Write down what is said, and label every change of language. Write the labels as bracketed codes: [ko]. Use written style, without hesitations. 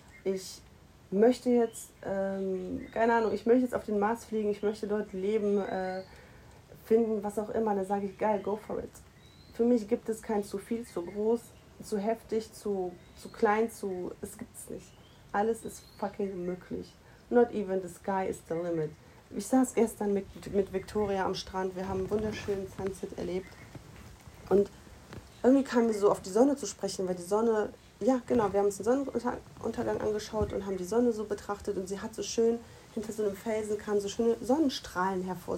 [de] Ich möchte jetzt, keine Ahnung, ich möchte jetzt auf den Mars fliegen. Ich möchte dort Leben finden, was auch immer. Dann sage ich, geil, [en] go for it. [de] Für mich gibt es kein zu viel, zu groß, zu heftig, zu klein, zu... Es gibt's nicht. Alles ist fucking möglich. [en] Not even the sky is the limit. [de] Ich saß gestern mit Victoria am Strand. Wir haben einen wunderschönen Sunset erlebt. Und irgendwie kam mir so auf die Sonne zu sprechen, weil die Sonne... Ja, genau. Wir haben uns den Sonnenuntergang angeschaut und haben die Sonne so betrachtet. Und sie hat so schön hinter so einem Felsen kamen so schöne Sonnenstrahlen hervor.